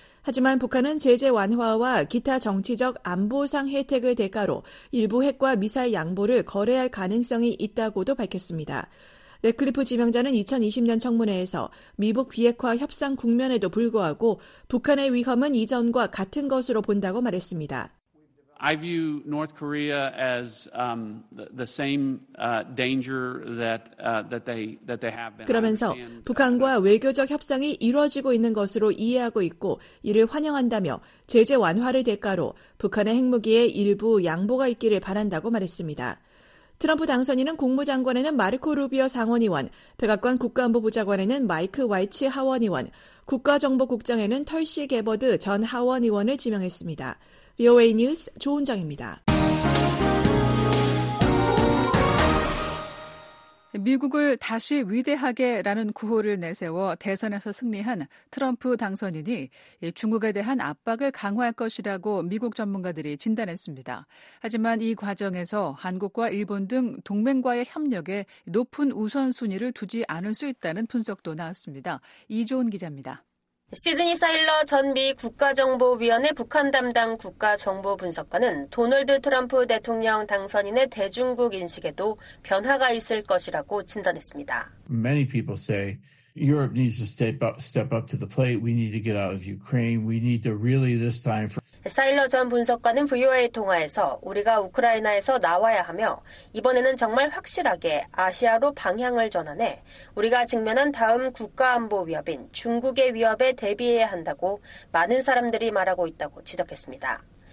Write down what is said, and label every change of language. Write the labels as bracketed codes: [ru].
[ko] 하지만 북한은 제재 완화와 기타 정치적 안보상 혜택을 대가로 일부 핵과 미사일 양보를 거래할 가능성이 있다고도 밝혔습니다. 래클리프 지명자는 2020년 청문회에서 미북 비핵화 협상 국면에도 불구하고 북한의 위험은 이전과 같은 것으로 본다고 말했습니다. [en] I view North Korea as the same danger that they have been. [ko] 그러면서 북한과 외교적 협상이 이루어지고 있는 것으로 이해하고 있고 이를 환영한다며 제재 완화를 대가로 북한의 핵무기에 일부 양보가 있기를 바란다고 말했습니다. 트럼프 당선인은 국무장관에는 마르코 루비오 상원의원, 백악관 국가안보 보좌관에는 마이크 와이츠 하원의원, 국가정보국장에는 털시 개버드 전 하원의원을 지명했습니다. VOA 뉴스 조은정입니다. 미국을 다시 위대하게라는 구호를 내세워 대선에서 승리한 트럼프 당선인이 중국에 대한 압박을 강화할 것이라고 미국 전문가들이 진단했습니다. 하지만 이 과정에서 한국과 일본 등 동맹과의 협력에 높은 우선순위를 두지 않을 수 있다는 분석도 나왔습니다. 이조은 기자입니다. 시드니 사일러 전 미 국가정보위원회 북한 담당 국가정보분석관은 도널드 트럼프 대통령 당선인의 대중국 인식에도 변화가 있을 것이라고 진단했습니다. [en] Many people say Europe needs to step up to the plate. We need to get out of Ukraine. We need to really this time. [ko] 사일러 전 분석가는 VOA 통화에서 우리가 우크라이나에서 나와야 하며 이번에는 정말 확실하게 아시아로 방향을 전환해 우리가 직면한 다음 국가안보 위협인 중국의 위협에 대비해야 한다고 많은 사람들이 말하고 있다고 지적했습니다.